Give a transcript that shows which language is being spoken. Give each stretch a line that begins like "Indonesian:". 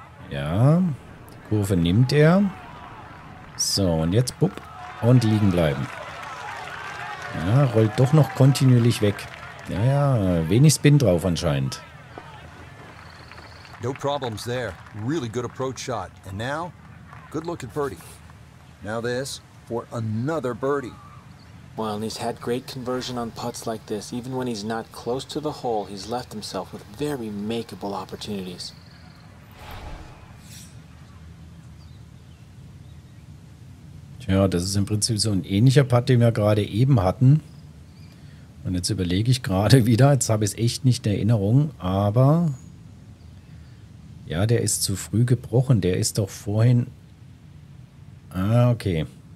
German: Ja, die Kurve nimmt er. So, und jetzt bupp und liegen bleiben. Ja, rollt doch noch kontinuierlich weg. Ja, ja, wenig Spin drauf anscheinend.
English: No problems there. Really good approach shot. And now, good look at birdie. Now this for another birdie. Well, and he's had great conversion on putts like this. Even when he's not close to the hole, he's left himself with very makeable opportunities.
German: Ja, das ist im Prinzip so ein ähnlicher Putt, den wir gerade eben hatten. Und jetzt überlege ich gerade wieder, jetzt habe ich es echt nicht in Erinnerung, aber ja, der ist zu früh gebrochen, der ist doch vorhin, ah, okay.